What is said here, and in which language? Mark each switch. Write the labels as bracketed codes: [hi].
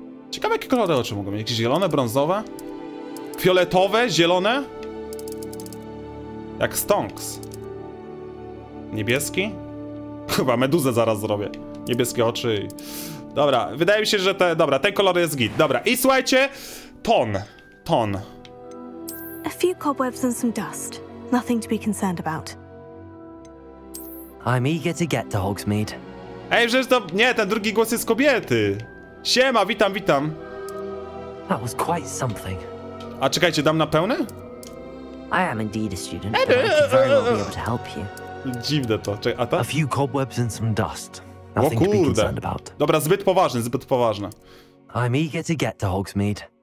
[pl] Ciekawe, jakie kolory oczu mogą mieć. Jakieś zielone, brązowe? Fioletowe, zielone? Jak Stonks. Niebieski? Chyba meduzę zaraz zrobię. Niebieskie oczy. Dobra, wydaje mi się, że te... Dobra, ten kolor jest git. Dobra, i słuchajcie. Ton. [en] A few cobwebs and some dust. Nothing to be concerned about. I'm eager to get to Hogsmeade. [pl] Ej, przecież to... Nie, ten drugi głos jest kobiety. Siema, witam. [en] That was quite something. [pl] A czekajcie, dam na pełne? [en] I am indeed a student, but I can very well be able to help you. [pl] Dziwne to. [en] A few cobwebs and some dust. [pl] O kurde. Dobra, zbyt poważne, zbyt poważne. [en] I'm eager to get to Hogsmeade.